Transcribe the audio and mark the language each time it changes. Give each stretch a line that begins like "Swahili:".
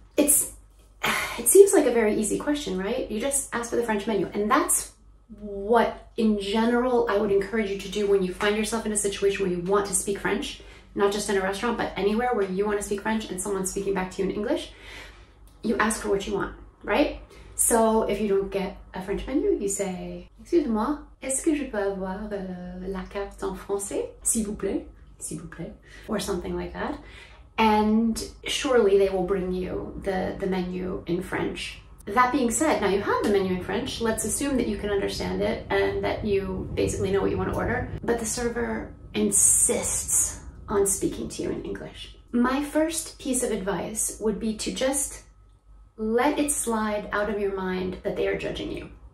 English: It seems like a very easy question, right? You just ask for the French menu. And that's what, in general, I would encourage you to do when you find yourself in a situation where you want to speak French, not just in a restaurant, but anywhere where you want to speak French and someone's speaking back to you in English. You ask for what you want, right? So if you don't get a French menu, you say,
French: excuse-moi, est-ce que je peux avoir la carte en français, s'il vous plaît,
English: or something like that. And surely they will bring you the menu in French. That being said, now you have the menu in French, let's assume that you can understand it and that you basically know what you want to order, but the server insists on speaking to you in English. My first piece of advice would be to just let it slide out of your mind that they are judging you.